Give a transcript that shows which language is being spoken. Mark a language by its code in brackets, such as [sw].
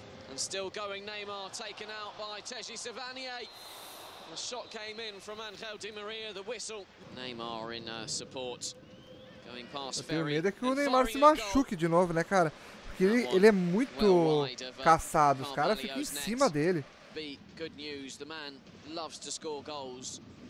[en] And still going Neymar taken out by Teji Savanier. The shot came in from Angel Di Maria, the whistle. Neymar in support. Going past [pt] Ferry. Eu tenho medo é que o Neymar se machuque de novo, né, cara? Porque ele é muito caçado, os caras ficam em cima dele. [en] Good news, the man loves to score goals.